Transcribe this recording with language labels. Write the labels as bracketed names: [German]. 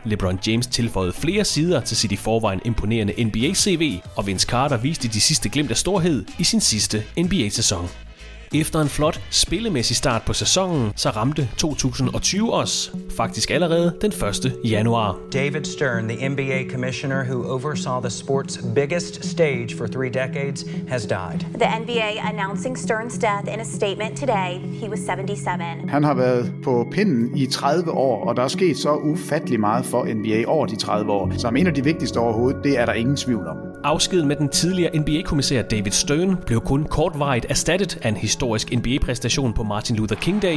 [Danish] LeBron James tilføjede flere sider til sit i forvejen imponerende NBA-CV. Og Vince Carter viste de sidste glimt af storhed i sin sidste NBA-sæson. Efter en flot spillemæssig start på sæsonen, så ramte 2020 os, faktisk allerede den 1. januar. [English] David Stern, the NBA commissioner who oversaw the sport's biggest stage for 3 decades, has died. The NBA announcing Stern's death in a statement today. He was 77. [Danish] Han har været på pinden i 30 år, og der er sket så ufattelig meget for NBA over de 30 år. Som en af de vigtigste overhovedet, det er der ingen tvivl om. Afskeden med den tidligere NBA-kommissær David Stern blev kun kortvarigt erstattet af en historisk NBA-præstation på Martin Luther King Day.